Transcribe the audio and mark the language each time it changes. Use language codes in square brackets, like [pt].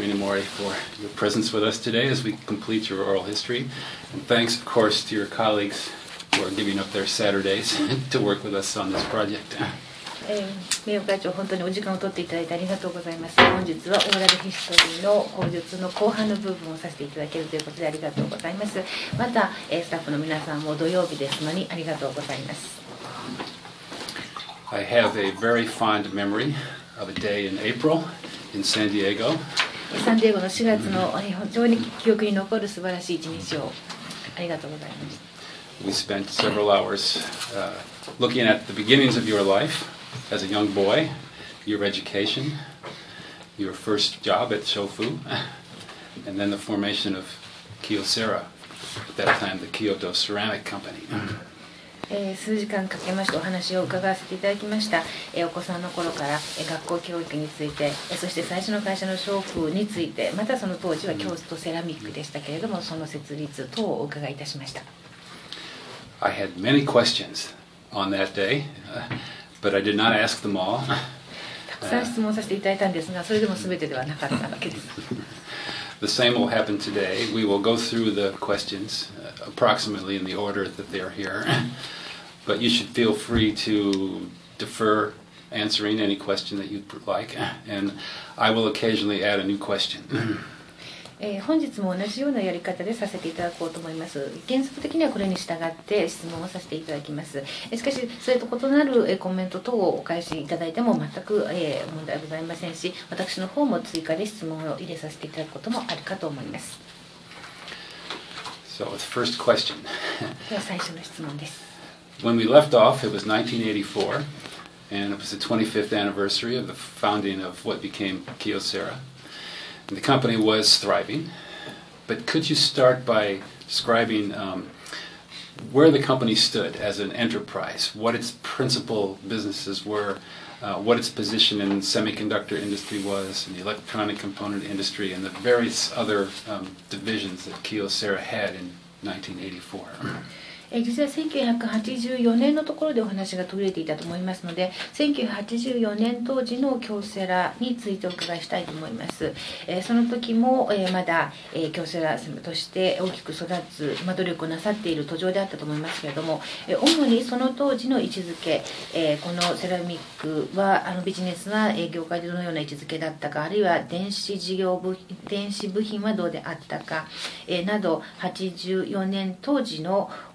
[en] Inamori, for your presence with us today as we complete your oral history. And thanks, of course, to your colleagues who are giving up their Saturdays to work with us on this project. [ja] 名誉会長、本当にお時間を取っていただいてありがとうございます。本日はオーラルヒストリーの講述の後半の部分をさせていただけるということでありがとうございます。また、スタッフの皆さんも土曜日ですのにありがとうございます。 [en] I have a very fond memory of a day in April in San Diego. [ja] サンディエゴの4月の非常に記憶に残る素晴らしい一日をありがとうございます。 [en] We spent several hours, looking at the beginnings of your life. As a young boy, your education, your first job at Shofu, and then the formation of Kyocera, at that time the Kyoto Ceramic Company. [ja] 数時間かけましてお話を伺わせていただきました。お子さんの頃から学校教育について、そして最初の会社の Shofu について、またその当時は京都セラミックでしたけれども、その設立等をお伺いいたしました。 [en] I had many questions on that day. But I did not ask them all. [ja] たくさん質問させていただいたんですが、それでも全てではなかったわけです。 [en] The same will happen today. We will go through the questions, approximately in the order that they are here. But you should feel free to defer answering any question that you'd like. And I will occasionally add a new question. [ja] 本日も同じようなやり方でさせていただこうと思います。原則的にはこれに従って質問をさせていただきます。しかしそれと異なるコメント等をお返しいただいても全く問題ございませんし、私の方も追加で質問を入れさせていただくこともあるかと思います。 [en] So, the first question. [ja] では最初の質問です。 [en] When we left off, it was 1984 and it was the 25th anniversary of the founding of what became Kyocera. The company was thriving, but could you start by describing where the company stood as an enterprise, what its principal businesses were, what its position in the semiconductor industry was, in the electronic component industry, and the various other divisions that Kyocera had in 1984? [ja] 実は1984年のところでお話が途切れていたと思いますので、1984年当時のキョセラについてお伺いしたいと思います。その時もまだキョセラとして大きく育つ、努力をなさっている途上であったと思いますけれども、主にその当時の位置づけ、このセラミックはビジネスは業界でどのような位置づけだったか、あるいは電子部品はどうであったか、など、84年当時の